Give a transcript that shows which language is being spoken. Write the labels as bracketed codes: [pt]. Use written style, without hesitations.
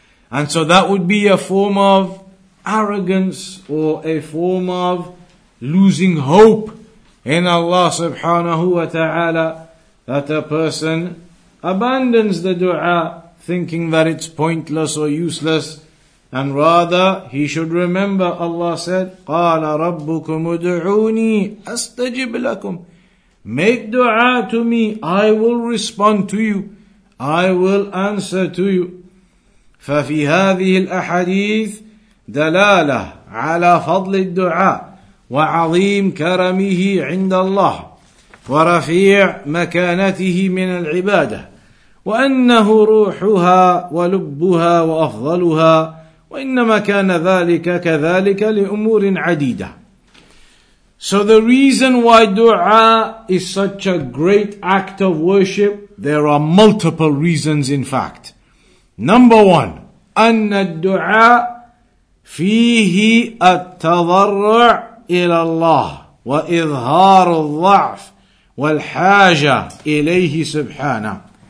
[en] And so that would be a form of arrogance or a form of losing hope in Allah subhanahu wa ta'ala, that a person abandons the dua thinking that it's pointless or useless, and rather he should remember Allah said, [ar] قَالَ رَبُّكُمُ ادْعُونِي أَسْتَجِبْ لَكُمْ. [en] Make dua to me, I will respond to you, I will answer to you. [ar] ففي هذه الأحاديث دلالة على فضل الدعاء وعظيم كرمه عند الله ورفيع مكانته من العبادة وأنه روحها ولبها وأفضلها وإنما كان ذلك كذلك لأمور عديدة. [en] So the reason why dua is such a great act of worship, there are multiple reasons in fact. Number one, [ar] أَنَّ الدُّعَاءَ فِيهِ التَّضَرُّعُ إِلَى اللَّهِ وَإِظْهَارُ الضَّعْفِ وَالْحَاجَةِ إِلَيْهِ سُبْحَانَهُ.